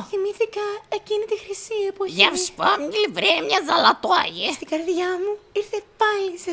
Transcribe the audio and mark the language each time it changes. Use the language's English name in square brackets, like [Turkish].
[Greek] Θυμήθηκα εκείνη τη χρυσή εποχή. [Russian] Я вспомнил время золотое. [Greek] Στην καρδιά μου ήρθε πάλι σε